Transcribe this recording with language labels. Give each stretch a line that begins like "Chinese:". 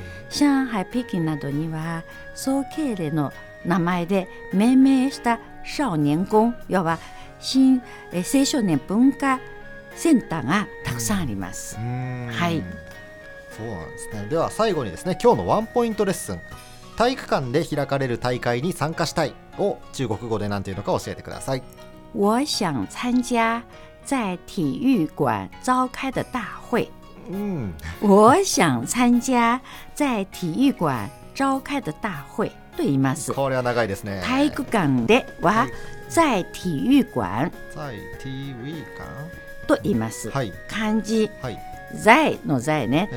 Japanese: 上海、北京などには総慶礼の名前で命名した少年宮、要は青少年文化センターがたくさんあります。そうなんですね。では最後にですね、今日のワンポイントレッスン、体育館で開かれる大会に参加したいを中国語で何ていうのか教えてください。
Chinese: 我想参加在体育馆召开的大会。我想参加在体育馆召开的大会
Japanese: と言います。これは長いですね。体育館では
Chinese: 在体育馆。在体育館
Japanese: と言います。はい、漢字。はい、在の在ね。